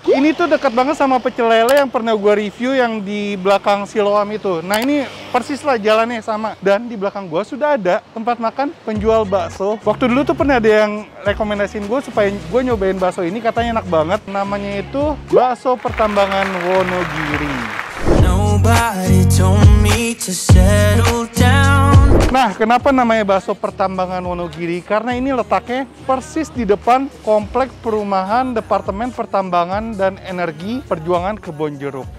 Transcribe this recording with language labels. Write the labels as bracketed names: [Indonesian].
[Indonesian] Ini tuh dekat banget sama pecel lele yang pernah gue review yang di belakang Siloam itu. Nah ini persis lah jalannya sama. Dan di belakang gue sudah ada tempat makan penjual bakso. Waktu dulu tuh pernah ada yang rekomendasiin gue supaya gue nyobain bakso ini, katanya enak banget. Namanya itu Bakso Pertambangan Wonogiri. [English] Nobody told me to settle down. [Indonesian] Nah, kenapa namanya Bakso Pertambangan Wonogiri? Karena ini letaknya persis di depan Komplek Perumahan Departemen Pertambangan dan Energi Perjuangan Kebon Jeruk.